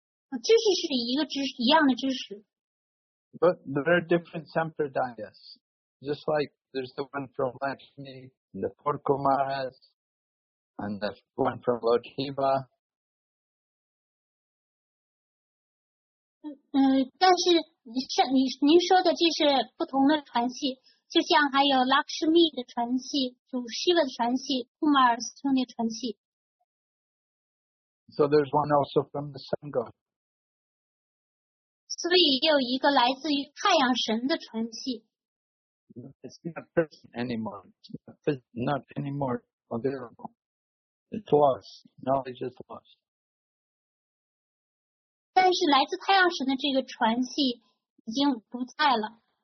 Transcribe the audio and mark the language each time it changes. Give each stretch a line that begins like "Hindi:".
Chinese: 知识是一个知识，一样的知识。
English: But there are different sampradayas. Just like there's the one from Lakshmi, and the four Kumaras, and the one from Lord Shiva.
Chinese: 但是您说的这是不同的传系，就像还有 Lakshmi 的传系，主 Shiva 的传系 ，Kumaras 兄弟传系。
English: So there's one also from the sun god.
Chinese: 所以也有一个来自于太阳神的传系。
English: It's not present anymore. It's not anymore available. It's lost. Knowledge is lost.
Chinese: 但是来自太阳神的这个传系已经不在了。